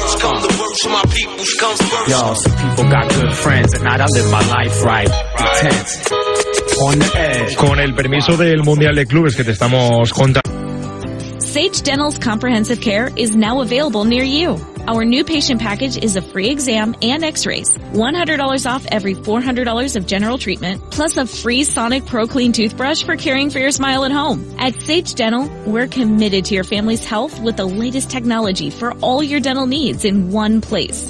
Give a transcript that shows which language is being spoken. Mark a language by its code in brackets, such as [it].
[en] Y'all, some people got good friends and not I live my life right. Intense. On the edge. [es] Con el permiso del Mundial de Clubes que te estamos contando. [en] Sage Dental's comprehensive care is now available near you. Our new patient package is a free exam and x-rays, $100 off every $400 of general treatment, plus a free Sonic Pro Clean toothbrush for caring for your smile at home. At Sage Dental, we're committed to your family's health with the latest technology for all your dental needs in one place.